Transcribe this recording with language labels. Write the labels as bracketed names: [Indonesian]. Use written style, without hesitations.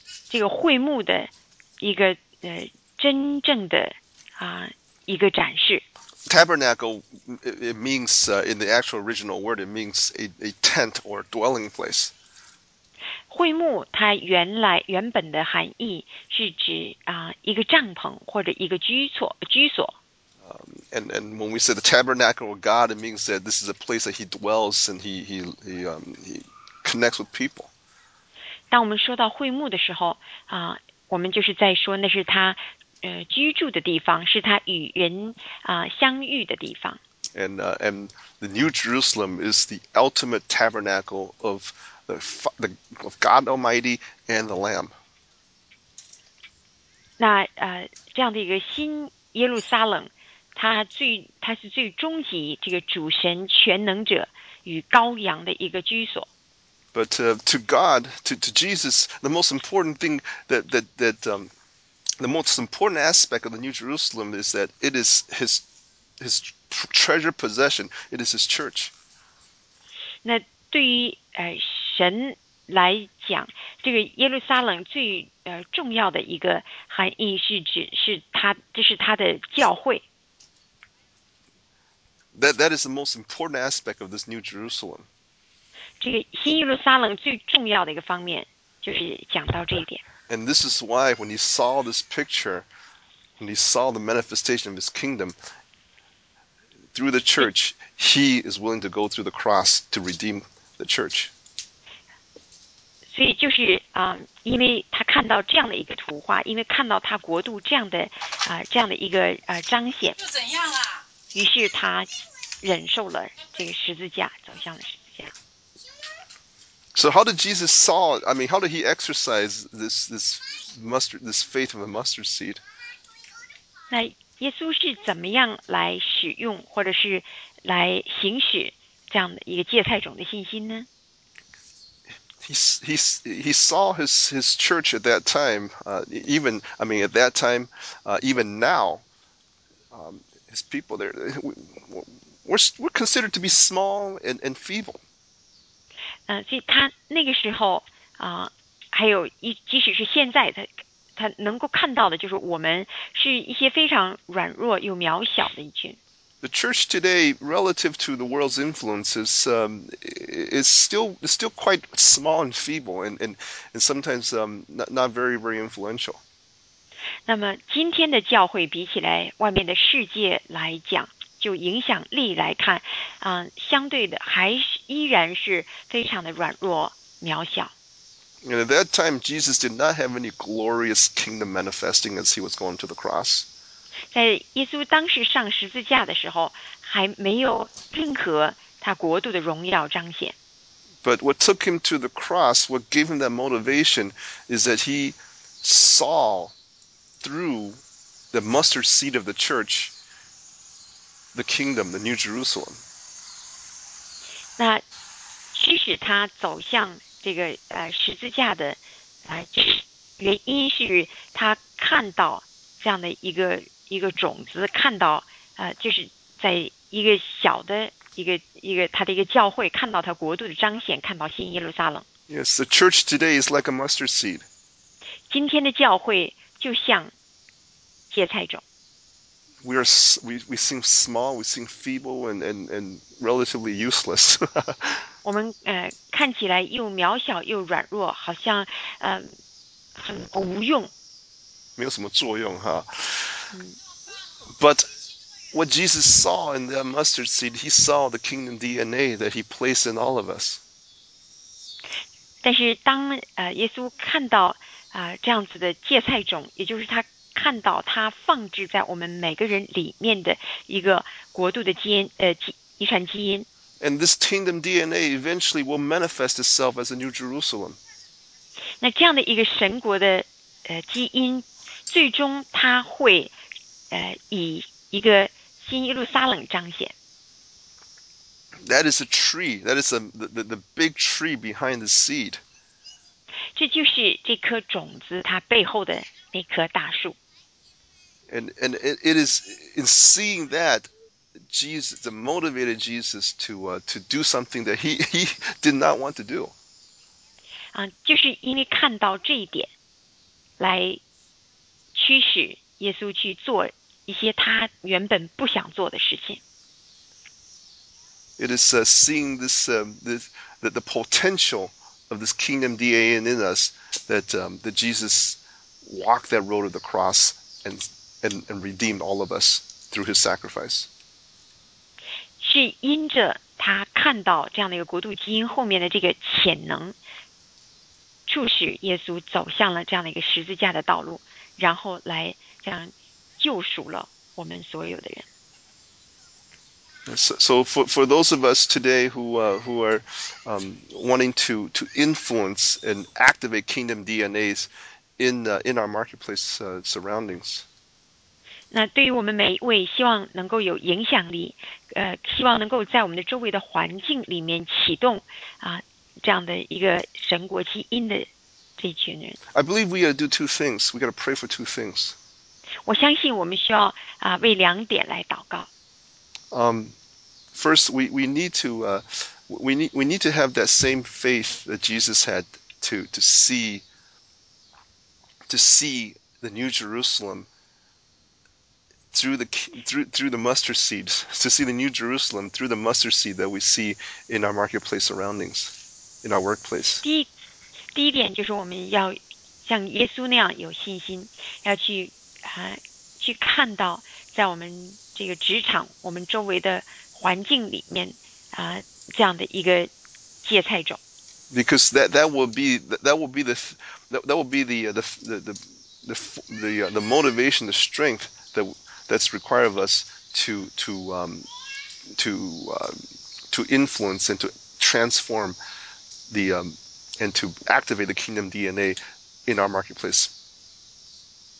[Chinese] 这个会幕的一个真正的一个展示。 [English] Tabernacle it means in the actual original word it means a tent or dwelling place. [Chinese] 会幕它原本的含义是指一个帐篷或者一个居所。 [English] And when we say the tabernacle of God, it means that this is a place that He dwells and He connects with people. [Chinese] 当我们说到会幕的时候我们就是在说那是他居住的地方，是他与人相遇的地方。 [English] And the New Jerusalem is the ultimate tabernacle of the God Almighty and the Lamb. [Chinese] 那这样的一个新耶路撒冷，它是最终极这个主神全能者与羔羊的一个居所。 [English] But to God, to Jesus, the most important thing that the most important aspect of the New Jerusalem is that it is His His treasure possession, it is his church. [Chinese] 那对于神来讲，这个耶路撒冷最重要的一个含义是指是他，这是他的教会。 [English] That is the most important aspect of this New Jerusalem. [Chinese] 这个新耶路撒冷最重要的一个方面，就是讲到这一点。 [English] And this is why when he saw this picture, when he saw the manifestation of his kingdom through the church, he is willing to go through the cross to redeem the church. [Chinese] 所以就是因为他看到这样的一个图画，因为看到他国度这样的这样的一个彰显。又怎样了？于是他忍受了这个十字架，走向了十字架。 [English] So how did Jesus saw? I mean, how did he exercise this faith of a mustard seed? [Chinese] 那耶稣是怎么样来使用，或者是来行使这样的一个芥菜种的信心呢？ [English] He saw his church at that time. Even now. His people there, we're considered to be small and feeble. [Chinese] 所以他那个时候还有即使是现在，他能够看到的就是我们是一些非常软弱又渺小的一群。 [English] The church today, relative to the world's influences, is still quite small and feeble, and sometimes not very very influential. [Chinese] 那么今天的教会比起来外面的世界来讲，就影响力来看，相对的还是依然是非常的软弱渺小。 [English] And at that time, Jesus did not have any glorious kingdom manifesting as he was going to the cross. [Chinese] 在耶稣当时上十字架的时候，还没有任何他国度的荣耀彰显。 [English] But what took him to the cross, what gave him that motivation, is that he saw through the mustard seed of the church, the kingdom, the New Jerusalem. [Chinese] 那驱使他走向这个十字架的原因是他看到这样的一个种子，看到就是在一个小的一个他的一个教会，看到他国度的彰显，看到新耶路撒冷。 [English] Yes, the church today is like a mustard seed. [Chinese] 今天的教会就像芥菜种。 [English] We seem small, we seem feeble, and relatively useless. [Chinese] 我们看起来又渺小又软弱，好像很无用。没有什么作用哈。 [English] But what Jesus saw in the mustard seed, he saw the kingdom DNA that he placed in all of us. [Chinese] 但是当耶稣看到这样子的芥菜种，也就是他看到他放置在我们每个人里面的一个国度的基因遗传基因。 [English] And this kingdom DNA eventually will manifest itself as a new Jerusalem. [Chinese] 那这样的一个神国的基因，最终它会以一个新耶路撒冷彰显。 [English] That is a tree. That is the big tree behind the seed. [Chinese] 这就是这颗种子它背后的那棵大树。 [English] And it is in seeing that Jesus motivated Jesus to do something that he did not want to do. [Chinese] 就是因为看到这一点，来驱使耶稣去做一些他原本不想做的事情。 [English] It is seeing this that the potential of this kingdom DNA in us that Jesus walked that road of the cross and redeemed all of us through his sacrifice. [Chinese] 是因着他看到这样的一个国度基因后面的这个潜能，促使耶稣走向了这样的一个十字架的道路，然后来这样救赎了我们所有的人。 [English] So for those of us today who are wanting to influence and activate kingdom DNAs in our marketplace surroundings. [Chinese] 那对于我们每一位希望能够有影响力，希望能够在我们的周围的环境里面启动这样的一个神国基因的这群人。 [English] I believe we gotta do two things. We gotta pray for two things. [Chinese] 我相信我们需要为两点来祷告。 [English] First, we need to have that same faith that Jesus had to see the New Jerusalem through the mustard seed, to see the New Jerusalem through the mustard seed that we see in our marketplace surroundings, in our workplace. [Chinese] 第一点就是我们要像耶稣那样有信心，要去看到在我们这个职场、我们周围的环境里面这样的一个芥菜种。 [English] Because that will be the motivation, the strength that's required of us to influence and to transform and to activate the kingdom DNA in our marketplace.